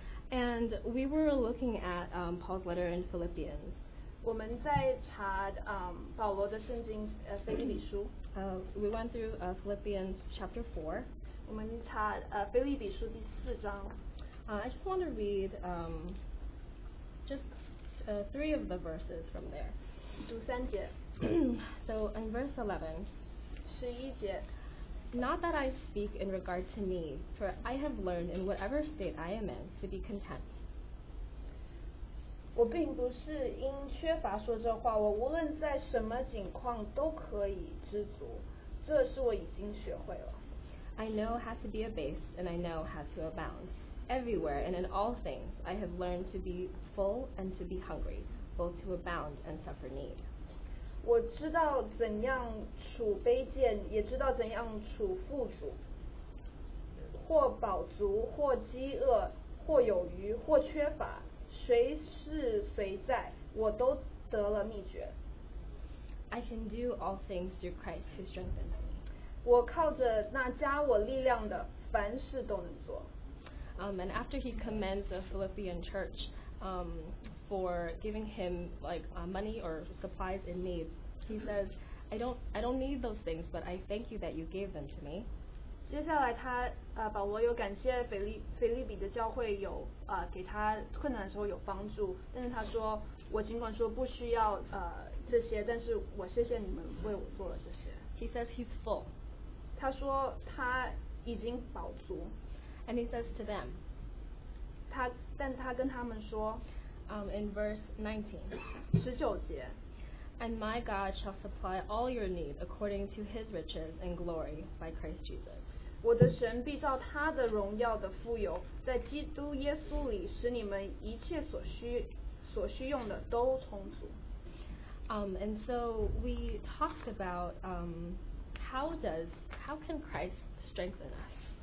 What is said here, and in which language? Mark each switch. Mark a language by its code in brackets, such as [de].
[en] And we were looking at Paul's letter in Philippians. [zh] 我们在查保罗的圣经腓立比书。 [en] We went through Philippians chapter 4. [zh] 我们查腓立比书第四章。 [en] I just want to read. Just three of the verses from there. [zh] 读三节。 [en] So in verse 11, [zh] 十一节。 [en] Not that I speak in regard to me, for I have learned in whatever state I am in to be content. [zh] 我并不是因缺乏说这话，我无论在什么境况都可以知足，这是我已经学会了。 [en] I know how to be abased, and I know how to abound. Everywhere and in all things, I have learned to be full and to be hungry, both to abound and suffer need. [zh] 我知道怎样处卑贱，也知道怎样处富足，或饱足，或饥饿，或有余，或缺乏，谁是谁在，我都得了秘诀。 [en] I can do all things through Christ who strengthens me. [zh] 我靠着那加我力量的，凡事都能做。 [en] And after he commends the Philippian church for giving him money or supplies in need, he says, I don't need those things, but I thank you that you gave them to me. [zh] 接下来他保罗又感谢腓立比的教会有给他困难的时候有帮助，但是他说我尽管说不需要这些，但是我谢谢你们为我做了这些。 [en] He says he's full. [zh] 他说他已经饱足。 [en] And he says to them, [zh] 但他跟他们说, [en] in verse [zh] 19, 19节, [en] and my God shall supply all your need according to his riches and glory by Christ Jesus. [zh] 我的神必照他的荣耀的富有, 在基督耶稣里使你们一切所需用的都充足。 [en] And so we talked about how can Christ strengthen us?